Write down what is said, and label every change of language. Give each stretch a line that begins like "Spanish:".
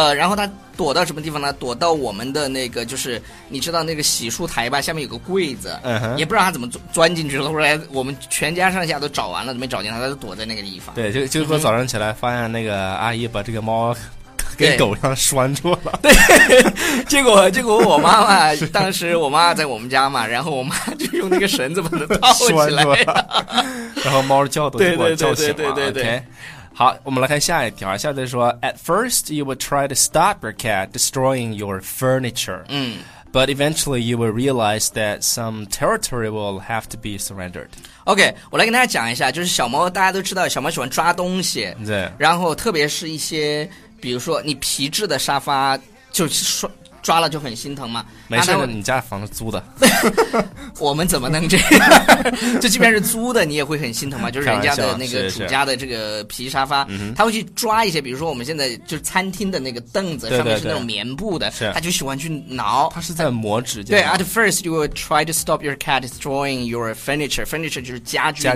Chinese: 然后它躲到什么地方呢？躲到我们的那个，就是你知道那个洗漱台吧，下面有个柜子，也不知道它怎么钻进去了。后来我们全家上下都找完了，都没找见它，它就躲在那个地方。对，就说早上起来发现那个阿姨把这个猫。跟狗上拴住了对，结果我妈妈当时我妈在我们家嘛，然后我妈就用那个绳子把它套起来了，然后猫叫都给我叫醒了。对 OK， 好，我们来看下一条，下一条说
English: ，At first you would try to stop your cat destroying your furniture，
Chinese: 嗯
English: ，But eventually you will realize that some territory will have to be surrendered。
Chinese: OK， 我来跟大家讲一下，就是小猫大家都知道，小猫喜欢抓东西，对，然后特别是一些。比如说你皮质的沙发就抓了就很心疼嘛，没事的，你家房子租的我们怎么能这样就即便是租的你也会很心疼嘛，就是人家的那个主家的这个皮沙发他会去抓一些，比如说我们现在就是餐厅的那个凳子上面是那种棉布的，他就喜欢去挠，他是在磨指甲。
English: 对 at first you will try to stop your cat destroying your furniture， furniture
Chinese: 就是家具的